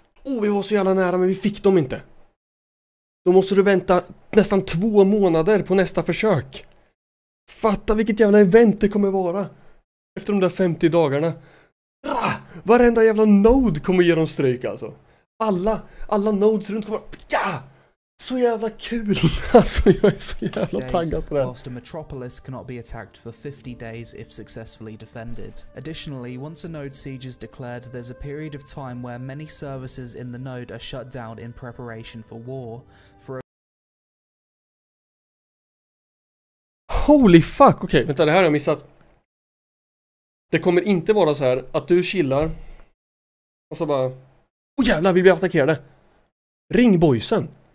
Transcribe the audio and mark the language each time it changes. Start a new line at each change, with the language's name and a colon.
Swedish: Oh, vi var så jävla nära men vi fick dem inte. Då måste du vänta nästan 2 månader på nästa försök. Fatta vilket jävla event det kommer vara. Efter de där 50 dagarna. Varenda jävla node kommer ge dem stryk alltså. Alla nodes runt kommer... Ja! Så jävla kul. Alltså jag är så jävla taggad på det.
English: Whilst a metropolis cannot be attacked for 50 days if successfully defended. Additionally, once a node siege is declared, there's a period of time where many services in the node are shut down in preparation for war. Holy fuck.
Swedish: Okej,
English: okay,
Swedish: vänta, det här har jag missat. Det kommer inte vara så här att du chillar och så bara oh jävlar, vi blir attackerade. Ring boysen.